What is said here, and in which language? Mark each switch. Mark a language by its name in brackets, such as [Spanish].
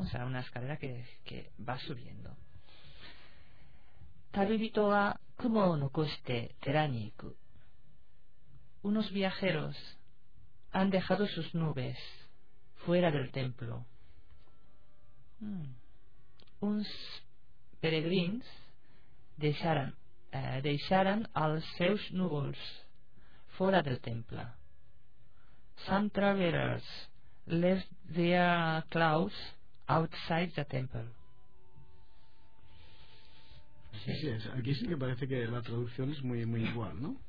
[Spanish] O sea, una escalera que va subiendo. [Japanese] Taribito wa kumo o nokoshite tera ni iku. [Spanish] Unos viajeros han dejado sus nubes fuera del templo. [Catalan] Uns peregrins deixaran els seus núvols fora del temple. [English] Some travelers left their clouds outside the temple. [Spanish] Sí, sí, sí. Aquí sí que parece que la traducción es muy, muy igual, ¿no?